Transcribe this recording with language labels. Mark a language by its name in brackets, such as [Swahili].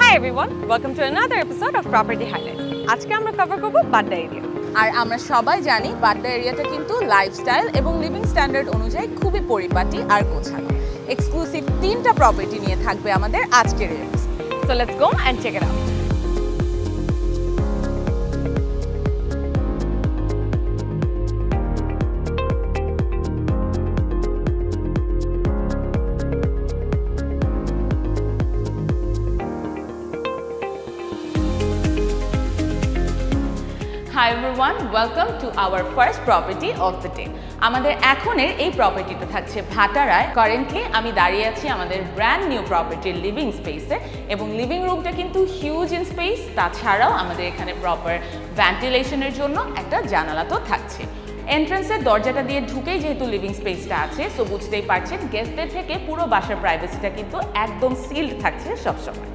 [English] everyone, welcome to another episode of Property Highlights. [Bangla] আজকে আমরা cover করব বাড্ডা এরিয়া। আর আমরা সবাই জানি বাড্ডা এরিয়াটা কিন্তু লাইফস্টাইল এবং লিভিং স্ট্যান্ডার্ড অনুযায়ী খুবই পরিপাটি আর গোছানো। এক্সক্লুসিভ তিনটা প্রপার্টি নিয়ে থাকবে আমাদের আজকের episode. [English] So let's go and check it out. Welcome to our first property of the day. [Bangla] আমাদের এখনের এই প্রপার্টিটা থাকছে ভাটারায়। কারেন্টলি আমি দাঁড়িয়ে আছি আমাদের ব্র্যান্ড নিউ প্রপার্টির লিভিং স্পেসে এবং লিভিং রুমটা কিন্তু [English] Huge in space. [Bangla] তাছাড়াও আমাদের এখানে প্রপার ভেন্টিলেশনের জন্য একটা জানালা তো থাকছে। এন্ট্রেন্সের দরজাটা দিয়ে ঢুকেই যেহেতু লিভিং স্পেসটা আছে, সো বুঝতেই পারছেন গেস্টদের থেকে পুরো বাসার প্রাইভেসিটা কিন্তু একদম সিলড থাকছে সবসময়।